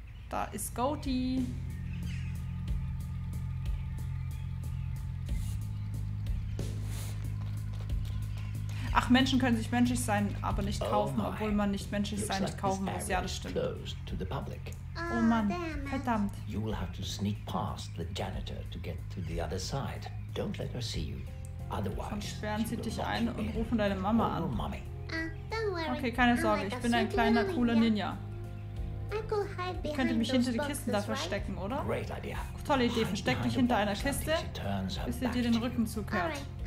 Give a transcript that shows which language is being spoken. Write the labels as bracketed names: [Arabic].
[German] Da ist Goaty. Ach, Menschen können sich menschlich sein, aber nicht kaufen, obwohl man nicht menschlich sein, nicht kaufen muss. Ja, das stimmt. Oh Mann, verdammt. [English] You will have to sneak past the janitor to get to the other side. Don't let her see you. Otherwise, [German] sonst sperren sie dich ein und rufen deine Mama an. Okay, keine Sorge, ich bin ein kleiner, cooler Ninja. Ich könnte mich hinter die Kisten da verstecken, oder? Tolle Idee, versteck dich hinter einer Kiste, bis sie dir den Rücken zukehrt.